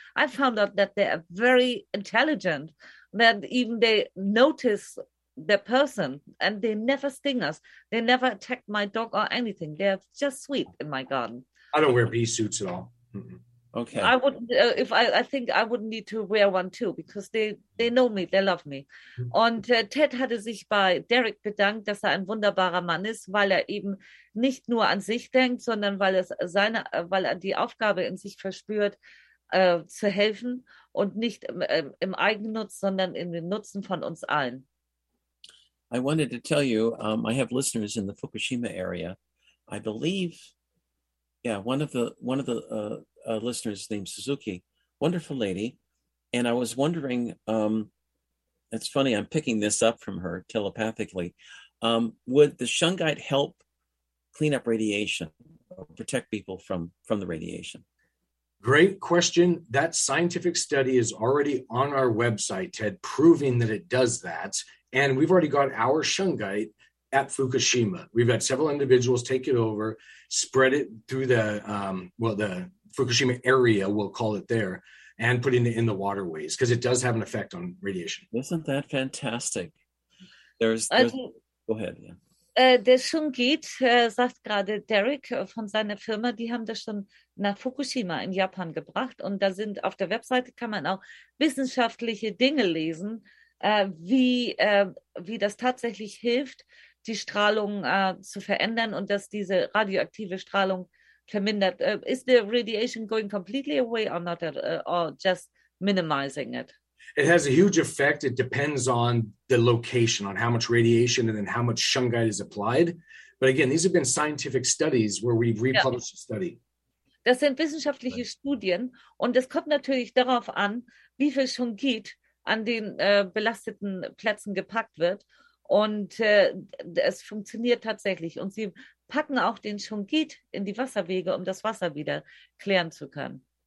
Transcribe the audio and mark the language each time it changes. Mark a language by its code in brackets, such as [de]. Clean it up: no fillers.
[en] I found out that they are very intelligent, that even they notice their person and they never sting us. They never attack my dog or anything. They are just sweet in my garden. I don't wear bee suits at all. Mm-mm. Okay. I would I think I wouldn't need to wear one too, because they know me, they love me. [de] Und Ted hatte sich bei Derek bedankt, dass er ein wunderbarer Mann ist, weil er eben nicht nur an sich denkt, sondern weil er die Aufgabe in sich verspürt, zu helfen und nicht im Eigennutz, sondern in den Nutzen von uns allen. [en] I wanted to tell you, I have listeners in the Fukushima area. I believe, yeah, one of the listeners named Suzuki, wonderful lady. And I was wondering, it's funny, I'm picking this up from her telepathically. Would the Shungite help clean up radiation, or protect people from the radiation? Great question. That scientific study is already on our website, Ted, proving that it does that. And we've already got our Shungite at Fukushima. We've had several individuals take it over, spread it through the Fukushima area, we'll call it there, and putting it in the waterways, because it does have an effect on radiation. Isn't that fantastic? Go ahead. Yeah. [de] Der Shungit, sagt gerade Derek von seiner Firma, die haben das schon nach Fukushima in Japan gebracht. Und da sind auf der Webseite kann man auch wissenschaftliche Dinge lesen, wie das tatsächlich hilft, die Strahlung zu verändern und dass diese radioaktive Strahlung vermindert. [en] Is the radiation going completely away or not, or just minimizing it? It has a huge effect. It depends on the location, on how much radiation and then how much Shungite is applied. But again, these have been scientific studies where we've republished a study. [de] Das sind wissenschaftliche Studien und es kommt natürlich darauf an, wie viel Shungite an den belasteten Plätzen gepackt wird. Und es funktioniert tatsächlich. Und sie packen auch den Shungite in die Wasserwege, um das Wasser wieder klären zu können.